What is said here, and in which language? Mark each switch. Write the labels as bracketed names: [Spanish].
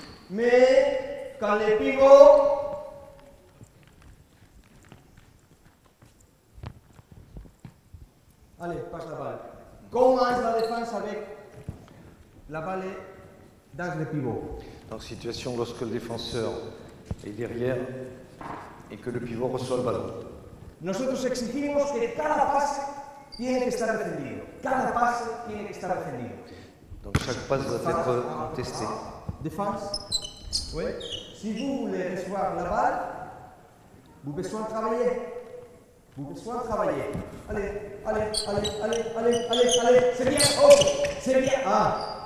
[French] Mais quand les pivots allez, passe la balle. Commence la défense avec la balle dans les pivots. Donc situation lorsque le défenseur est derrière. Et que le pivot reçoit le ballon. [Spanish] Nosotros exigimos que cada pase tiene que estar defendido. Cada pase tiene que estar defendido. [French] Donc chaque passe doit être contesté. Défense. Oui. Si vous voulez recevoir la balle, vous avez besoin de travailler. Vous avez besoin de travailler. Allez. C'est bien. Oh, c'est bien. Ah.